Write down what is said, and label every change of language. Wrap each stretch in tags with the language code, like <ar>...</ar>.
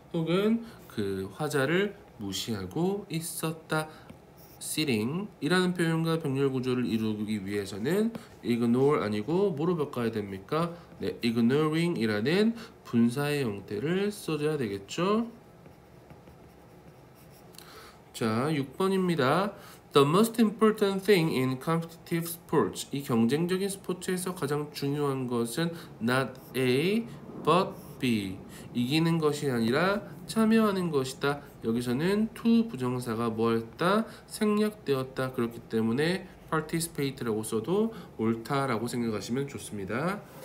<ko>혹은 그 화자를 무시하고 있었다. sitting 이라는 표현과 병렬구조를 이루기 위해서는 ignore 아니고 뭐로 바꿔야 됩니까? 네, ignoring 이라는 분사의 형태를 써줘야 되겠죠. 자, 6번입니다.</ko> <en>The most important thing in competitive sports.</en> <ko>이 경쟁적인 스포츠에서 가장 중요한 것은 not A, but B. 이기는 것이 아니라 참여하는 것이다. 여기서는 to 부정사가 뭐였다? 생략되었다. 그렇기 때문에 participate라고 써도 옳다라고 생각하시면 좋습니다.</ko>